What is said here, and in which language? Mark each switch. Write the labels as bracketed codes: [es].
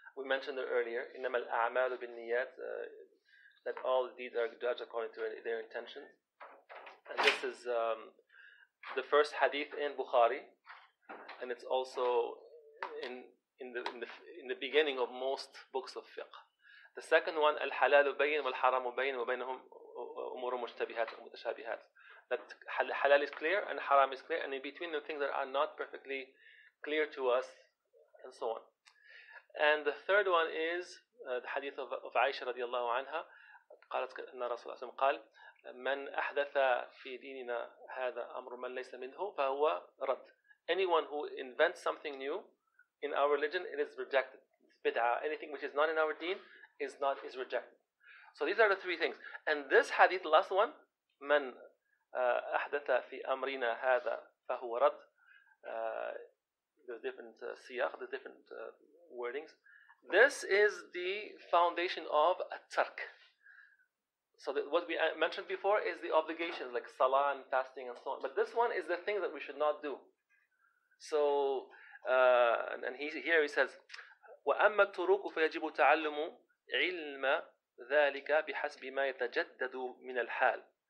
[en] We mentioned it earlier. [ar] إنما الأعمال بالنيات, [en] that all the deeds are judged according to their intention. And this is the first hadith in Bukhari, and it's also in the beginning of most books of fiqh. The second one, [ar] الحلال بين والحرام بين وبينهم أمور مشتبهات ومتشابهات. [en] That halal is clear and haram is clear, and in between the things that are not perfectly clear to us, and so on. And the third one is the hadith of Aisha radiallahu anha. [ar] قالت أن رسول الله قال من أحدث في ديننا هذا أمر من ليس منه فهو رد. [en] Anyone who invents something new in our religion, it is rejected. It's bid'ah. Anything which is not in our deen is rejected. So these are the three things. And this hadith, the last one, [ar] من أحدث في أمرنا هذا فهو رد. [en] There's different siyah, the different wordings. This is the foundation of a tark. So what we mentioned before is the obligations like salah and fasting and so on. But this one is the thing that we should not do. So and here he says, [ar] وَأَمَّا التُّرُوكُ فَيَجِبُ تَعَلُّمُ عِلْمَ ذَلِكَ بِحَسْبِ مَا يَتَجَدَّدُ مِنَ الْحَالِ.